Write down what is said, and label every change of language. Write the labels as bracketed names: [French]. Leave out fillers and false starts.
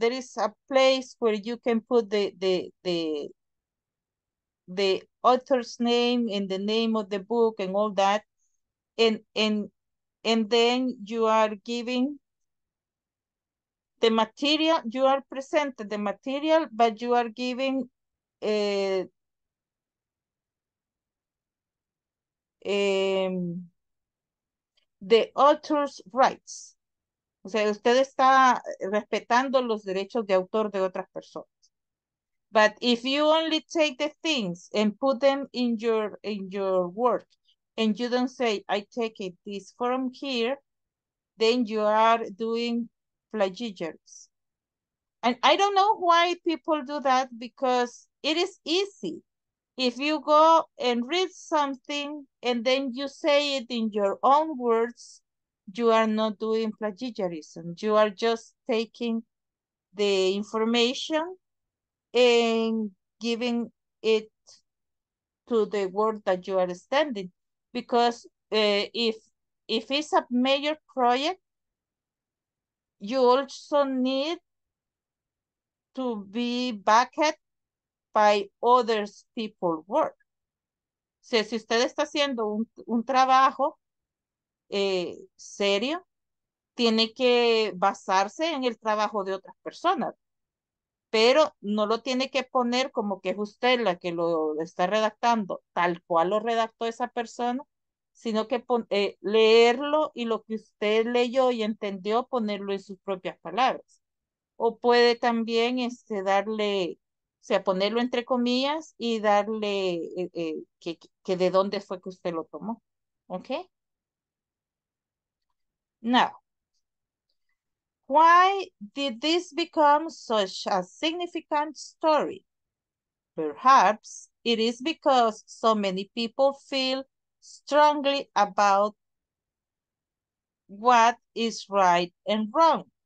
[English] There is a place where you can put the author's name and the name of the book and all that, and then you are giving the material, you are presenting the material, but you are giving the author's rights. [Spanish] O sea, usted está respetando los derechos de autor de otras personas. [English] But if you only take the things and put them in your work, and you don't say, I take it this from here, then you are doing plagiarism. And I don't know why people do that, because it is easy. If you go and read something and then you say it in your own words, you are not doing plagiarism. You are just taking the information and giving it to the world that you are standing. Because if it's a major project, you also need to be backed by other people's work. [Spanish] Si usted está haciendo un trabajo serio, tiene que basarse en el trabajo de otras personas. Pero no lo tiene que poner como que es usted la que lo está redactando, tal cual lo redactó esa persona, sino que leerlo y lo que usted leyó y entendió, ponerlo en sus propias palabras. O puede también darle, o sea, ponerlo entre comillas y darle que de dónde fue que usted lo tomó. ¿Ok? [English] Now. Why did this become such a significant story? Perhaps it is because so many people feel strongly about what is right and wrong.